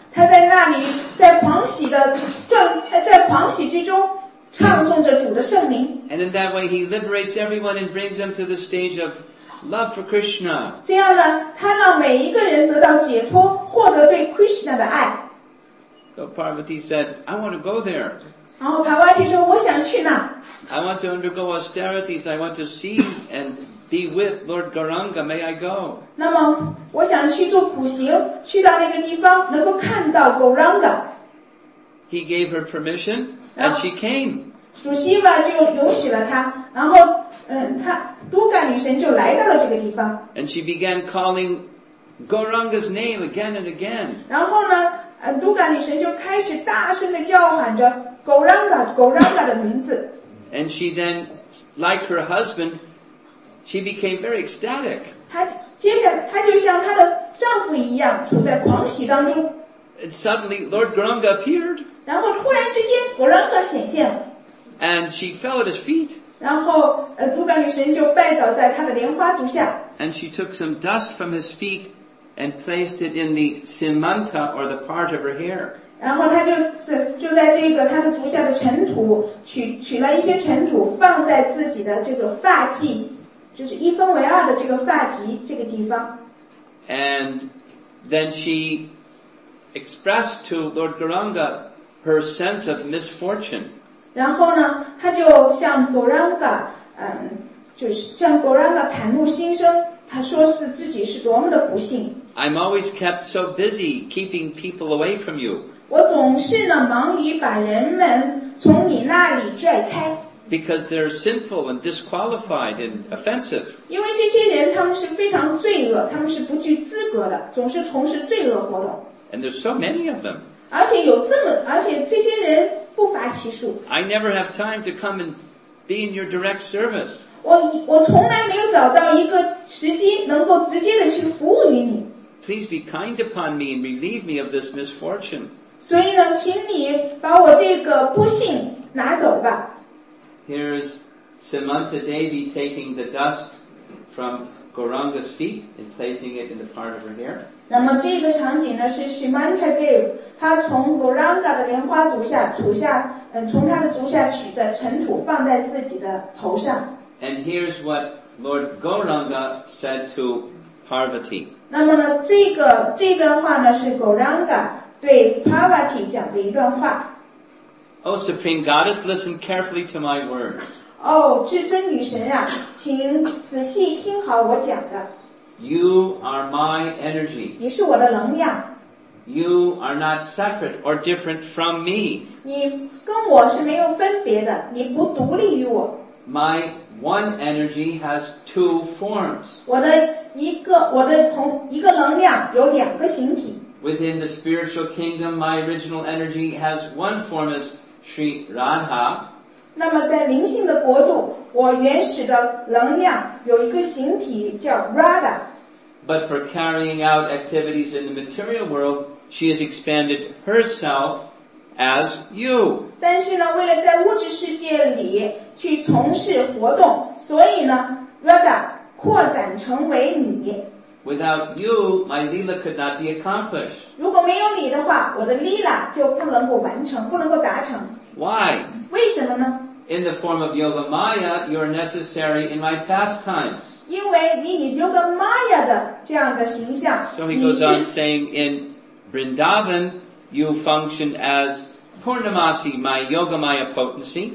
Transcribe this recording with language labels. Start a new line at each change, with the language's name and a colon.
Chinese: 他在那里在狂喜之中唱诵着主的圣名。
English: And in that way he liberates everyone and brings them to the stage of love for Krishna.
Chinese: 这样呢他让每一个人得到解脱获得对 Krishna 的爱。
English: So Parvati said, I want to go there.
Chinese: 然后 Parvati 说我想去那。
English: I want to undergo austerities. I want to see and be with Lord Gauranga. May I go?
Chinese: 那么我想去做苦行去到那个地方能够看到 Gauranga.
English: He gave her permission and she came.
Chinese: 主希瓦就允许了她然后她 Durga 女神就来到了这个地方。
English: And she began calling Gauranga's name again and again.
Chinese: 然后呢 Durga 女神就开始大声地叫喊着 Gauranga, Gauranga 的名字。
English: And she then, like her husband, she became very ecstatic.
Chinese: 她就像她的丈夫一样处在狂喜当中。
English: And suddenly, Lord Gauranga appeared.
Chinese: 然后突然之间 ,Gauranga 显现。
English: And she fell at his feet.
Chinese: 然后 Durga 女神就拜倒在她的莲花足下。
English: And she took some dust from his feet and placed it in the Samanta or the part of her hair.
Chinese: 然后他就在这个他的足下的尘土取了一些尘土放在自己的这个发髻就是一分为二的这个发髻这个地方
English: And then she expressed to Lord Gauranga her sense of misfortune
Chinese: 然后呢他就向 Gauranga 就是向 Gauranga 袒露心声他说是自己是多么的不幸
English: I'm always kept so busy keeping people away from you
Chinese: 我总是呢忙于把人们从你那里拽开
English: Because they're sinful and disqualified and offensive
Chinese: 因为这些人他们是非常罪恶他们是不具资格的总是从事罪恶活动
English: And there's so many of them
Chinese: 而且这些人不乏其数。
English: I never have time to come and be in your direct service.
Chinese: 我从来没有找到一个时机能够直接的去服务于你。
English: Please be kind upon me and relieve me of this misfortune.
Chinese: 所以呢，请你把我这个不幸拿走吧。
English: Here's Samantha Devi taking the dust from Gauranga's feet and placing it in the part of her hair.
Chinese: 那么这个场景呢，是 Samantha Devi 她从 Gauranga 的莲花足下取下，从她的足下取的尘土放在自己的头上。
English: And here's what Lord Gauranga said to Parvati.
Chinese: 那么呢，这段话呢，是 Gauranga 对 Parvati 讲的一段话。
English: Oh, Supreme Goddess, listen carefully to my words.
Chinese: 哦，至尊女神啊，请仔细听好我讲的。
English: You are my energy.
Chinese: 你是我的能量。
English: You are not separate or different from me.
Chinese: 你跟我是没有分别的，你不独立于我。
English: My one energy has two forms.
Chinese: 我的一个能量有两个形体。
English: Within the spiritual kingdom, my original energy has one form as Sri Radha.
Chinese: 那么在灵性的国度，我原始的能量有一个形体叫 Radha。
English: But for carrying out activities in the material world, she has expanded herself as you.
Chinese: 但是呢，为了在物质世界里去从事活动，所以呢 ，Radha 扩展成为你。
English: Without you, my lila could not be accomplished.
Chinese: 如果没有你的话，我的 lila 就不能够完成，不能够达成。
English: Why?
Chinese: 为什么呢
English: ？In the form of yoga maya, you're necessary in my pastimes.
Chinese: 因为你以 yoga maya 的这样的形象。
English: So he goes on saying, in Vrindavan, you function as Purnamasi, my yoga maya potency.